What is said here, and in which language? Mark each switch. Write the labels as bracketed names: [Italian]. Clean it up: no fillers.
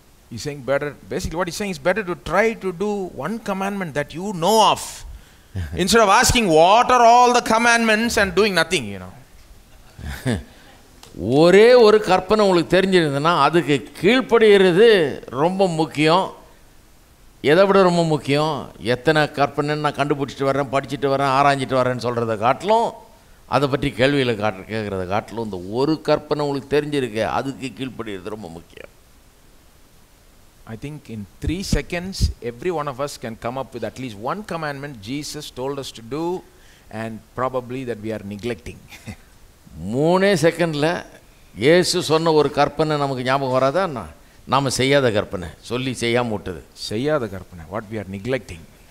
[English] He's saying better, basically what he's saying is better to try to do one commandment that you know of instead of asking what are all the commandments and doing nothing, you know. [Tamil] ஒரே ஒரு கற்பனை உங்களுக்கு தெரிஞ்சிருந்தனா அதுக்கு கீழ்ப்படுகிறது ரொம்ப முக்கியம். எதை விட ரொம்ப முக்கியம், எத்தனை கற்பனைன்னு நான் கண்டுபிடிச்சிட்டு வரேன், படிச்சுட்டு வரேன், ஆராய்ஞ்சிட்டு வரேன்னு சொல்கிறத காட்டிலும், அதை பற்றி கேள்வியில் கேட்குறத காட்டிலும், இந்த ஒரு கற்பனை உங்களுக்கு தெரிஞ்சிருக்கு அதுக்கு கீழ்ப்படுகிறது ரொம்ப முக்கியம். [English] I think in 3 seconds every one of us can come up with at least one commandment Jesus told us to do and probably that we are neglecting. [Tamil] 3 செகண்ட்ல இயேசு சொன்ன ஒரு கற்பனை நமக்கு ஞாபகம் வராதா? நாம செய்யாத கற்பனை, சொல்லி செய்யாம விட்டது செய்யாத கற்பனை, [English] what we are neglecting.